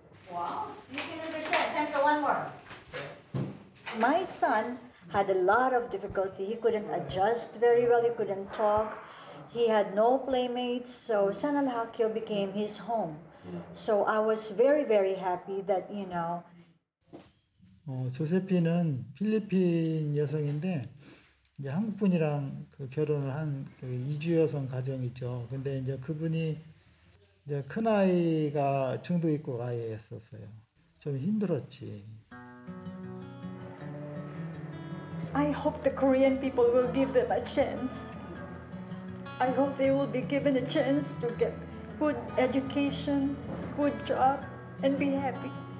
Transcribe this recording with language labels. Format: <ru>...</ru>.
<en>Wow, you can understand. Time for one more. My son had a lot of difficulty. He couldn't adjust very well, he couldn't talk. He had no playmates, so Sanal Hakyo became his home. So I was very, very happy that, you know.</en> <ko>조세피는 필리핀 여성인데 이제 한국 분이랑 그 결혼을 한 그 이주 여성 가정이죠. 근데 이제 그분이 이제 큰 아이가 중도입국아이였었어요. 좀 힘들었지.</ko> <en>I hope the Korean people will give them a chance. I hope they will be given a chance to get good education, good job, and be happy.</en>